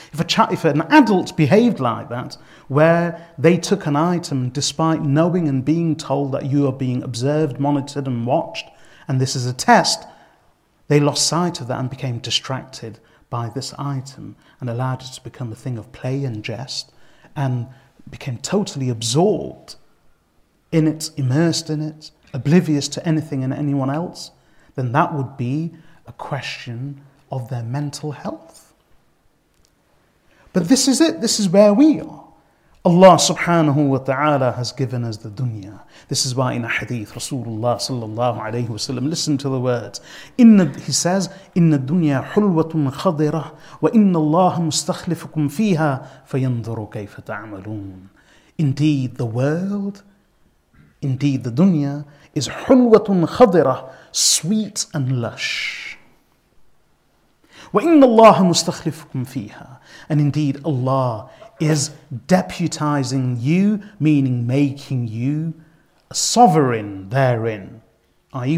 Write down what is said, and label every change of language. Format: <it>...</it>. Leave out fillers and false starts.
<en>If an adult behaved like that, where they took an item despite knowing and being told that you are being observed, monitored and watched, and this is a test, they lost sight of that and became distracted by this item and allowed it to become a thing of play and jest and became totally absorbed in it, immersed in it, oblivious to anything and anyone else, then that would be a question of their mental health. But this is it, this is where we are. Allah subhanahu wa ta'ala has given us the dunya. This is why in a hadith, Rasulullah sallallahu alayhi wa sallam, listen to the words. He says,</en> <ar>إِنَّ الدُّنْيَا حُلْوَةٌ خَضِرَةٌ وَإِنَّ اللَّهَ مُسْتَخْلِفُكُمْ فِيهَا فَيَنْظُرُ كَيْفَ تَعْمَلُونَ.</ar> <en>Indeed, the world, indeed the dunya, is</en> <ar>حُلْوَةٌ خَضِرَةٌ,</ar> <en>sweet and lush.</en> <ar>وَإِنَّ اللَّهَ مُسْتَخْلِفُكُمْ فِيهَا.</ar> <en>And indeed, Allah is deputizing you, meaning making you a sovereign therein. I.e.</en>